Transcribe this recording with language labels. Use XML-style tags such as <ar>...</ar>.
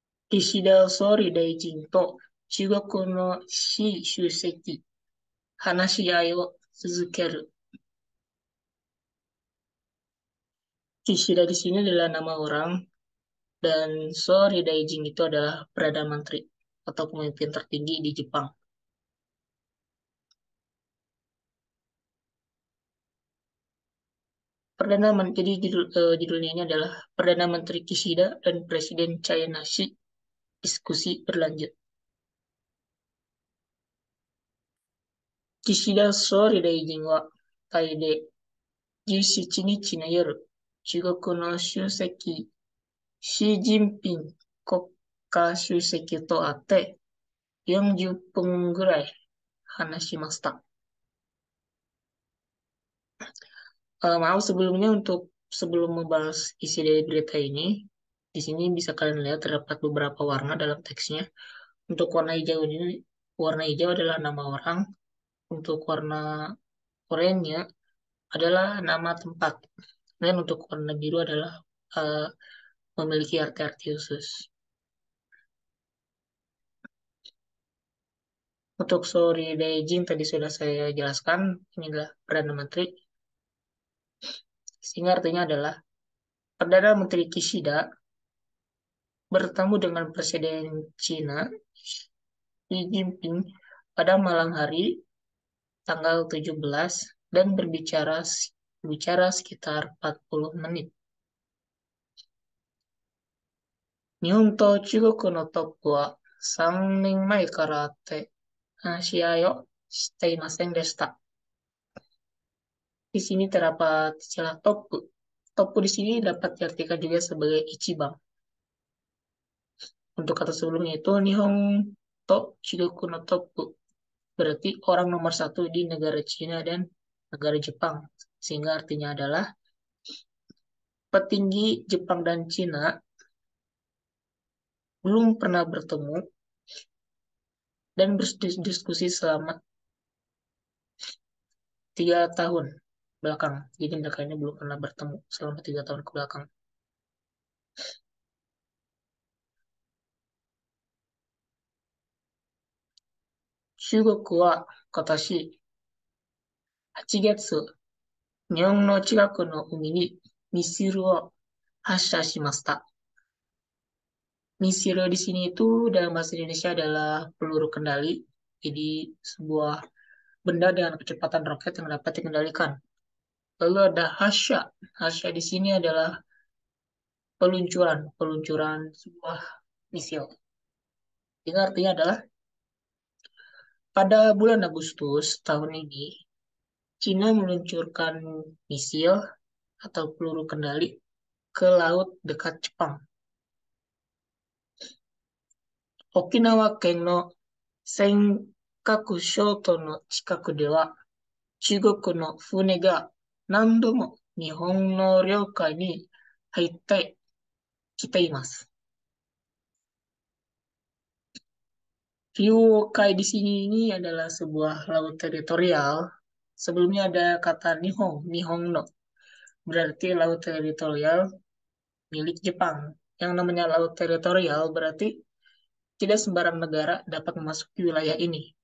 <ja>岸田総理大臣と中国の習主席、話し合いを続ける。</ja> <id>岸田di sini adalah nama orang, dan Sori Daijin itu adalah Perdana Menteri atau pemimpin tertinggi di Jepang. Perdana Menteri, jadi judulnya ini adalah Perdana Menteri Kishida dan Presiden Chai Nashi. Diskusi berlanjut.</id> <ja>Kishida Sori Daijin wa Tai de 17日の夜、中国の主席、シー・ジンピン国家主席と会って40分ぐらい話しました。</ja> <id>maaf sebelumnya untuk sebelum membahas isi dari berita ini, di sini bisa kalian lihat terdapat beberapa warna dalam teksnya. Untuk warna hijau ini, warna hijau adalah nama orang. Untuk warna oranye adalah nama tempat. Dan untuk warna biru adalah memiliki arti-arti khusus. Untuk Sori Daijin tadi sudah saya jelaskan, ini adalah Perdana Menteri. Sehingga artinya adalah Perdana Menteri Kishida bertemu dengan Presiden Cina Xi Jinping pada malam hari tanggal 17 dan berbicara bicara sekitar 40 menit.</id> <ja>日本と中国のトップは3年前から会って話し合いをしていませんでした。</ja> <id>di sini terdapat istilah top. Top di sini dapat diartikan juga sebagai Ichiban. Untuk kata sebelumnya itu</id> <ja>Nihon To Chigoku no Toku,</ja> <id>berarti orang nomor satu di negara Cina dan negara Jepang. Sehingga artinya adalah petinggi Jepang dan Cina belum pernah bertemu dan berdiskusi selama 3 tahun belakang. Jadi mereka ini belum pernah bertemu selama 3 tahun ke belakang.</id> <ja>中国は今年8月、日本の近くの海にミサイルを発射しました。</ja> <id>ミサイル di sini itu dalam bahasa Indonesia adalah peluru kendali, jadi sebuah benda dengan kecepatan roket yang dapat dikendalikan. Lalu ada hasya. Hasya di sini adalah peluncuran, peluncuran sebuah misil. Ini artinya adalah pada bulan Agustus tahun ini, Cina meluncurkan misil atau peluru kendali ke laut dekat Jepang.</id> <ja>Okinawa県の尖閣諸島の近くでは、中国の船が何度も日本の領海に入ってきています。</ja> <id>Ryukai di sini ini adalah sebuah laut teritorial. Sebelumnya ada kata Nihon, Nihonno. Berarti laut teritorial milik Jepang. Yang namanya laut teritorial berarti tidak sembarang negara dapat memasuki wilayah ini.</id>